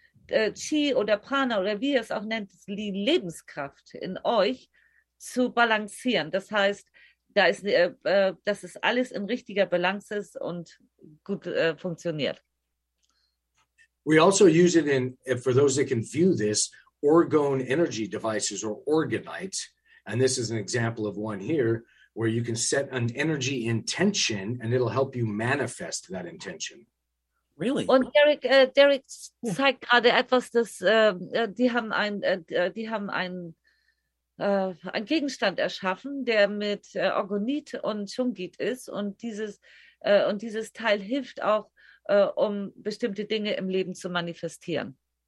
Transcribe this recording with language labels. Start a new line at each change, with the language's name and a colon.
German: Chi oder Prana oder wie ihr es auch nennt, die Lebenskraft in euch zu balancieren. Das heißt, da ist, dass es alles in richtiger Balance ist und gut funktioniert.
English: We also use it in, for those that can view this, orgone energy devices or organite. And this is an example of one here, where you can set an energy intention and it'll help you manifest that intention. Really?
German: Und Derek, Derek zeigt gerade etwas, dass die haben ein Gegenstand erschaffen, der mit Orgonit und Shungite ist, und dieses Teil hilft auch, um bestimmte Dinge im Leben zu manifestieren.